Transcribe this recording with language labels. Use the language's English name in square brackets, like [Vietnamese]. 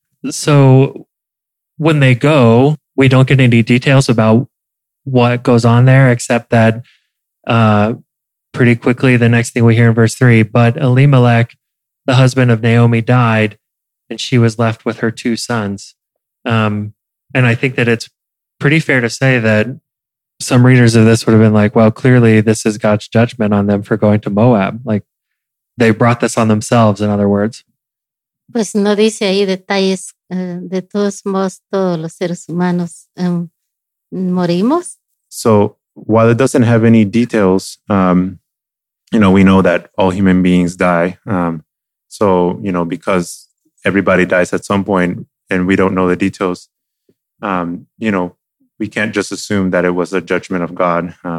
[English] So when they go, we don't get any details about what goes on there, except that pretty quickly, the next thing we hear in verse 3, but Elimelech, the husband of Naomi, died, and she was left with her two sons. And I think that it's pretty fair to say that some readers of this would have been like, well, clearly this is God's judgment on them for going to Moab. Like, they brought this on themselves, in other words. [Spanish] Pues no dice ahí detalles, de todos modos, todos los seres humanos morimos. [English] So while it doesn't have any details, you know, we know that all human beings die. So, you know, because everybody dies at some point and we don't know the details, you know, we can't just assume that it was a judgment of God.